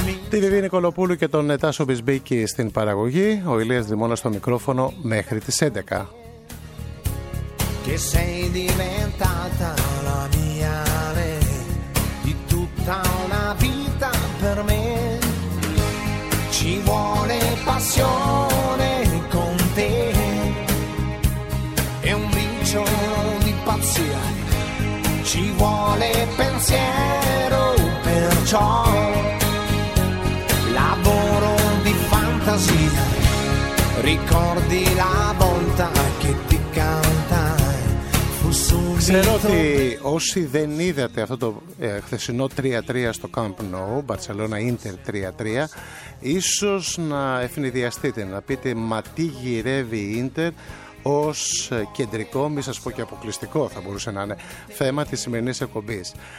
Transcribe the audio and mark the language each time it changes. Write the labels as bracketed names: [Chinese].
[Greek] Τη Βιβλία Νικολοπούλου και τον Τάσο Μπισμπίκη στην παραγωγή, ο Ηλίας Δημόνας στο μικρόφωνο μέχρι τις 11. Και [Italian] sei diventata la mia re di tutta una vita. Per me ci vuole passione con te, è un vizio di pazzia, ci vuole pensiero, perciò lavoro di fantasia, ricordi la volta che ti cantai, fu subito. [Greek] Όσοι δεν είδατε αυτό το χθεσινό 3-3 στο Camp Nou, Barcelona Inter 3-3, ίσως να ευνηδιαστείτε, να πείτε μα τι γυρεύει η Inter ως κεντρικό, μη σας πω και αποκλειστικό θα μπορούσε να είναι, θέμα της σημερινής εκπομπής.